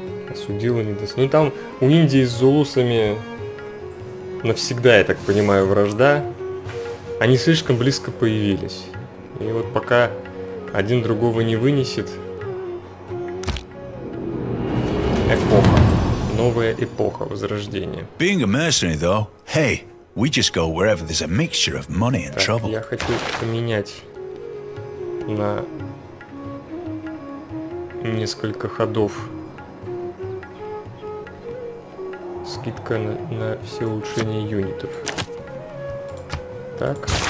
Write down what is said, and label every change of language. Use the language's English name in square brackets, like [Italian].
[Russian] Осудила, не даст. Ну, там у Индии с зулусами навсегда, я так понимаю, вражда. Они слишком близко появились. И вот пока один другого не вынесет... Эпоха. Новая эпоха возрождения. [English] Being a mercenary, though, hey, we just go wherever there's a mixture of money and trouble. [Russian] Так, я хочу поменять на несколько ходов. Скидка на все улучшения юнитов. Так.